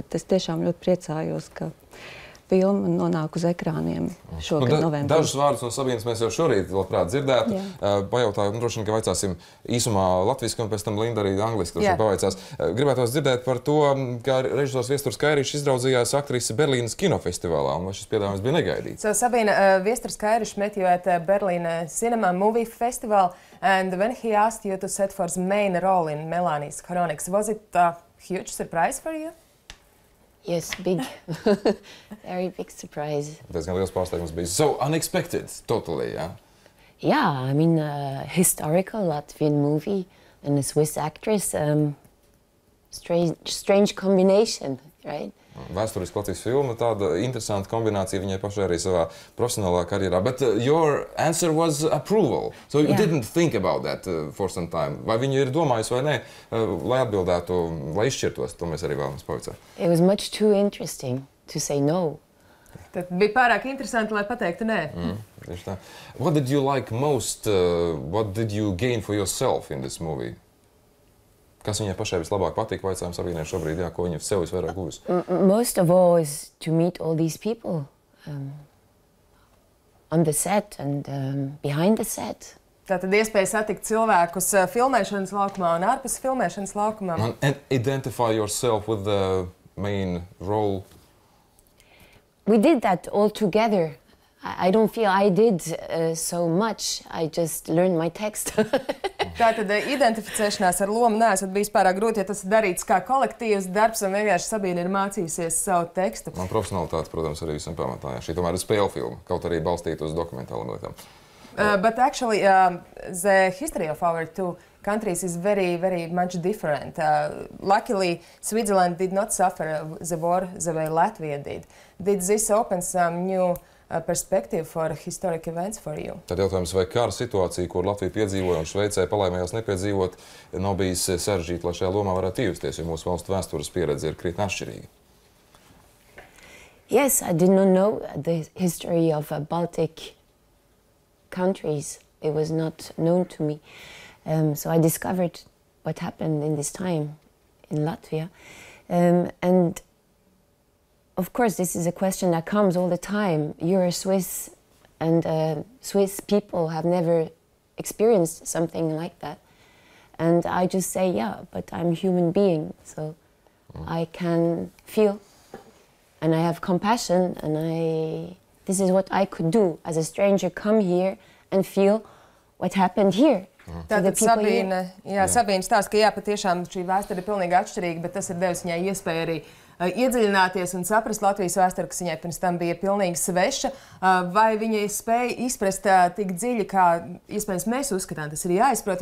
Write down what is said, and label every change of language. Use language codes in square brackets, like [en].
[lv] Bet es tiešām ļoti priecājos, ka filma nonāk uz ekrāniem šogad novembrī. Dažus vārdus no Sabīnes mēs jau šorīt labprāt dzirdētu. Pajautāju, droši vien, ka vaicāsim īsumā latviski un pēc tam Linda arī angliski droši pavaicās. Gribētos dzirdēt par to, kā režisors Viesturs Kairiša izraudzījās aktrisi Berlīnas kinofestivālā, un vai šis piedāvājums bija negaidīts. [en] So, Sabīna, Viesturs Kairiša met you at Berlīna Cinema Movie Festival, and when he asked you to set for his main role in Melānijas Chronics, was it a huge surprise for you? Yes, big, very big surprise. That's going to be a surprise that must be so unexpected, totally, yeah? Yeah, I mean, a historical Latvian movie and a Swiss actress, strange combination, right? [lv] Vēsturiski Latvijas filma, tāda interesanta kombinācija viņai pašai arī savā profesionālā karjerā. [en] But your answer was approval, so you didn't think about that for some time. [lv] Vai viņa ir domājusi vai ne, lai atbildētu, lai izšķirtos, to mēs arī vēlamies pavicāt. [en] It was much too interesting to say no. [lv] Tad bija pārāk interesanti, lai pateiktu nē. Tieši tā. [en] What did you like most, what did you gain for yourself in this movie? [lv] Kas viņai pašai vislabāk patīk, vaicājām Sabīnei šobrīd, jā, ko viņa sev visvairāk gūs? [en] Most of all is to meet all these people on the set and behind the set. [lv] Tātad iespēja satikt cilvēkus filmēšanas laukumā un ārpus filmēšanas laukumā. [en] And identify yourself with the main role? We did that all together. I don't feel I did so much. I just learned my text. [lv] Tātad identificēšanās ar lomu neesat bijis pārāk grūti, ja tas ir darīts kā kolektīvs darbs un vienkārši Sabīna ir mācījusies savu tekstu. Man profesionalitāte, protams, arī visam pamatā. Jā. Šī tomēr ir spēle filma, kaut arī balstīta uz dokumentālam lietām. [en] But actually, the history of our two countries is very, very much different. Luckily, Switzerland did not suffer the war the way Latvia did. Did this open some new perspective for historic events for you. [lv] Tad jautājums, vai kara situācija, kur Latvija piedzīvoja un Šveicē palaimējās nepiedzīvot, nav bijis sarežģīta, lai šajā lomā varētu ievesties, jo mūsu valstu vēstures pieredze ir krietni atšķirīga? [en] Yes, I did not know the history of Baltic countries. It was not known to me. So I discovered what happened in this time in Latvia. And of course, this is a question that comes all the time. You're a Swiss, and Swiss people have never experienced something like that. And I just say, yeah, but I'm a human being, so I can feel, and I have compassion, and this is what I could do as a stranger, come here and feel what happened here. [lv] Tātad Sabīna, jā, Sabīna stāsta, ka jā, patiešām šī vēstura ir pilnīgi atšķirīga, bet tas ir devis viņai iespēju arī iedziļināties un saprast Latvijas vēsturi, kas viņai pirms tam bija pilnīgi sveša. Vai viņai spēja izprast tik dziļi, kā iespējams mēs uzskatām, tas ir jāizprot.